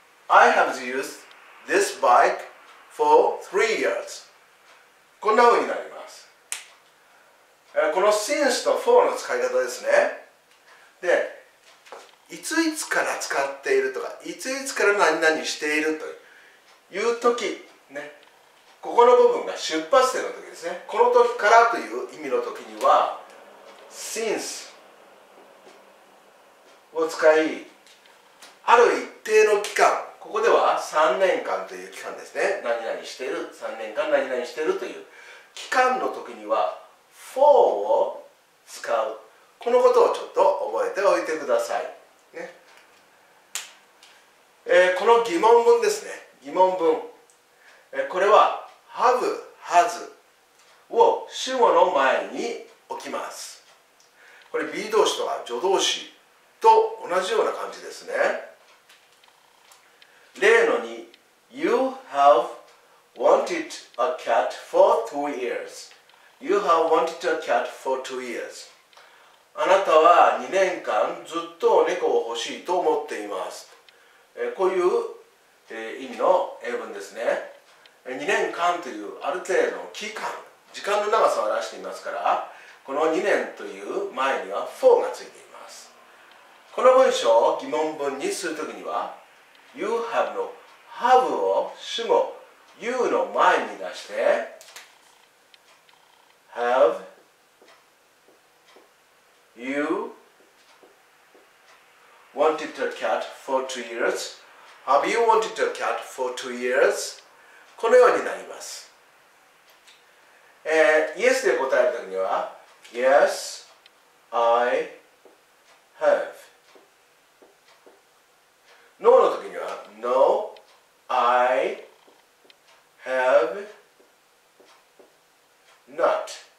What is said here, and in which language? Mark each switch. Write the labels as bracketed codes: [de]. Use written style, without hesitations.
[en] I have used this bike for 3 years. [ja] こんな風になります。この since と for の使い方ですね。で、いついつから使っているとか、いついつから何々しているという時、ね、ここの部分が出発点の時ですね。この時からという意味の時には、since、を使い、ある一定の期間、ここでは3年間という期間ですね。何々している、3年間何々しているという期間の時には for を使う、このことをちょっと覚えておいてください、ね。この疑問文ですね、疑問文、これは have、 has を主語の前に置きます。これ be 動詞とか助動詞と同じような感じですね。 [en] 例の2、 You have wanted a cat for 2 years. You have wanted a cat for 2 years. [ja] あなたは2年間ずっと猫を欲しいと思っています。こういう意味の英文ですね。2年間というある程度の期間、時間の長さを出していますから、この2年という前には for がついています。この文章を疑問文にするときには、You have の have を主語 you の前に出して、 [en] Have you wanted a cat for 2 years? Have you wanted a cat for 2 years? [ja] このようになります。 Yes で答えるときには、 [en] Yes, I have. [ja] No の時には [en] No, I have not.